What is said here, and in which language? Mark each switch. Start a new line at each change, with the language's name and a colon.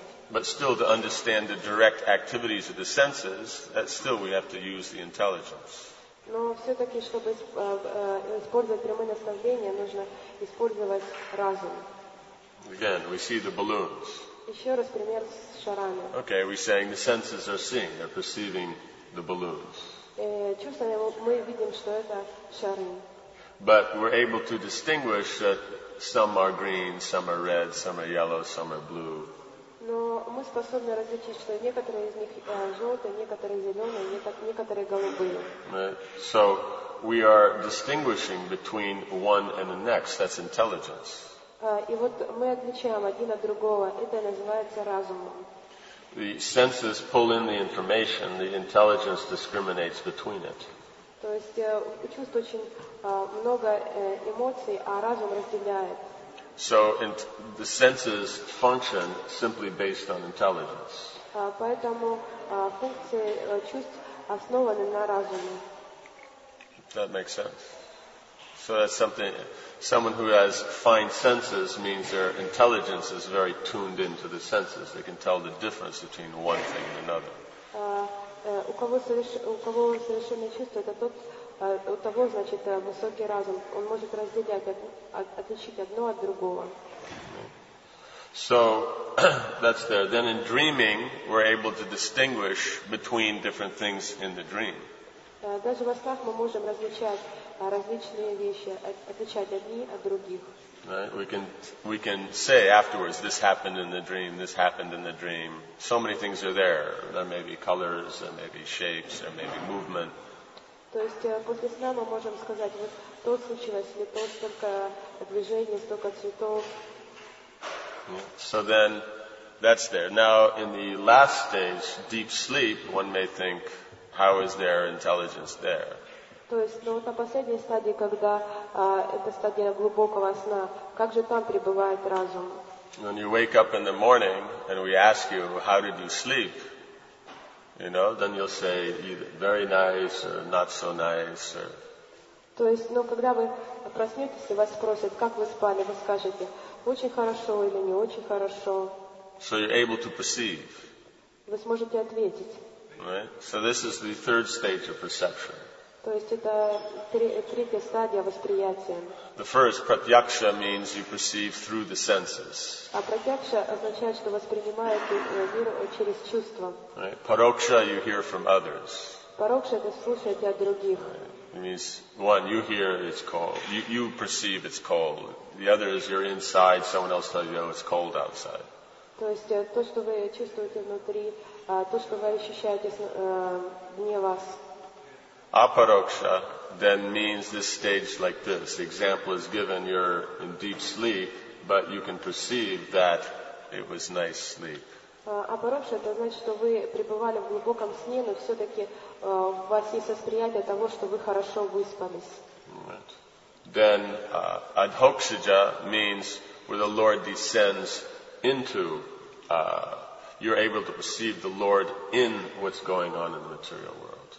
English: But still, to understand the direct activities of the senses, that still we have to use the intelligence.
Russian: Но все-таки, чтобы использовать прямые наставления, нужно использовать разум.
English: Again, we see the balloons.
Russian: Еще раз пример с шарами.
English: Okay, we're saying the senses are seeing, they're perceiving the balloons.
Russian: Чувствами мы видим, что это шары.
English: But we're able to distinguish that some are green, some are red, some are yellow, some are blue.
Russian: Но мы способны различить, что некоторые из них желтые, некоторые зеленые, некоторые голубые.
English: So we are distinguishing between one and the next. That's intelligence.
Russian: И вот мы отличаем один от другого. Это называется разумом.
English: The senses pull in the information. The intelligence discriminates between it.
Russian: То есть чувств очень много эмоций, а разум разделяет.
English: So the senses function simply based on intelligence.
Russian: Поэтому функции чувств основаны на разуме.
English: That makes sense. So that's something. Someone who has fine senses means their intelligence is very tuned into the senses. They can tell the difference between one thing and another.
Russian: У кого совершенные чувства, это тот. У того, значит, высокий разум, он может разделять, отличить одно от другого.
English: So, that's there. Then in dreaming, we're able to distinguish between different things in the dream.
Russian: Даже во снах мы можем различать различные вещи, отличать одни от других.
English: Right? We can say afterwards, this happened in the dream, this happened in the dream. So many things are there. There may be colors, there may be shapes, there may be movement.
Russian: То есть после сна мы можем сказать, вот то случилось, или то, столько движений, столько цветов.
English: So then, that's there. Now, in the last stage, deep sleep, one may think, how is their intelligence there?
Russian: То есть, ну вот на последней стадии, когда это стадия глубокого сна, как же там пребывает разум?
English: When you wake up in the morning, and we ask you, how did you sleep? You know, then you'll say either very nice or not so nice. Or...
Russian: То есть, ну, когда вы проснетесь, вас спросят, как вы спали, вы скажете, очень хорошо или не очень хорошо.
English: So you're able to perceive.
Russian: Вы сможете ответить.
English: Right? So this is the third stage of perception.
Russian: То есть это третья стадия восприятия.
English: The first, pratyaksha, means you perceive through the senses.
Russian: А pratyaksha означает, что воспринимаете мир через чувства.
English: Right. Paroksha, you hear from others.
Russian: Paroksha, это слушаете от других.
English: It means, one, you hear it's cold. You perceive it's cold. The other is you're inside, someone else tells you, oh, it's cold outside.
Russian: То есть то, что вы чувствуете внутри, то, что вы ощущаете вне вас.
English: Aparoksha then means this stage like this. The example is given, you're in deep sleep, but you can perceive that it was nice sleep.
Russian: Aparoksha, это значит, что вы пребывали в глубоком сне, но все-таки у вас есть восприятие того, что вы хорошо выспались.
English: Right. Then Adhokshaja means where the Lord descends into, you're able to perceive the Lord in what's going on in the material world.